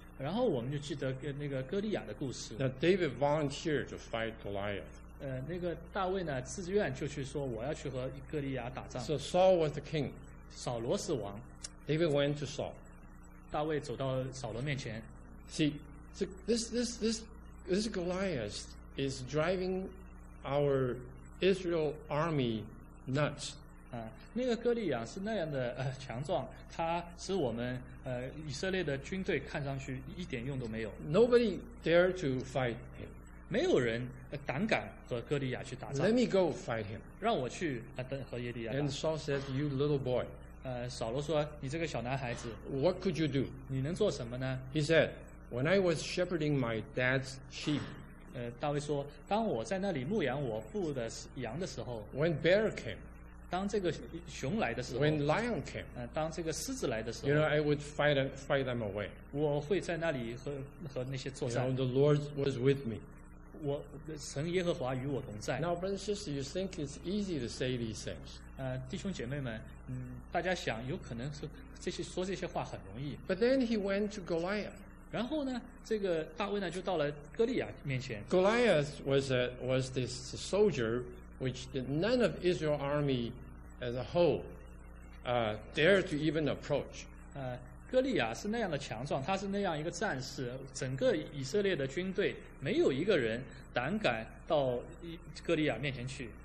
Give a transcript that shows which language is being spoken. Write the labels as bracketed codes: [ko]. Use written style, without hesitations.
[zh] 然后我们就记得那个哥利亚的故事。 [en] Now David volunteered to fight Goliath. [zh] 那个大卫呢，自愿就去说我要去和哥利亚打仗。 [en] So Saul was the king. [zh] 扫罗是王。 [en] David went to Saul. [zh] 大卫走到扫罗面前。 [en] See, this Goliath is driving our Israel army nuts. [zh] 那个哥利亚是那样的强壮，他使我们以色列的军队看上去一点用都没有。 [en] Nobody dare to fight him. [zh] 没有人胆敢和哥利亚去打仗。 [en] Let me go fight him. [zh] 让我去和耶利亚打。 [en] And Saul said, "You little boy." [zh] 扫罗说，你这个小男孩子。 [en] What could you do? [zh] 你能做什么呢 [en] ？He said, "When I was shepherding my dad's sheep." [zh] 大卫说，当我在那里牧养我父的羊的时候。 [en] When bear came. [zh] 当这个熊来的时候。 [en] When lion came. [zh] 当这个狮子来的时候。 [en] You know, I would fight them away. [zh] 我会在那里和那些作战。 [en] You know, the Lord was with me. [zh] 我神耶和华与我同在。 [en] Now, brothers and sisters, you think it's easy to say these things. [zh] 弟兄姐妹们，大家想，有可能是这些说这些话很容易。 [en] But then he went to Goliath. [zh] 然后呢，这个大卫呢就到了哥利亚面前。 [en] Goliath was this soldier which none of Israel army as a whole, dared to even approach. [zh] 哥利亚是那样的强壮，他是那样一个战士，整个以色列的军队没有一个人胆敢到哥利亚面前去。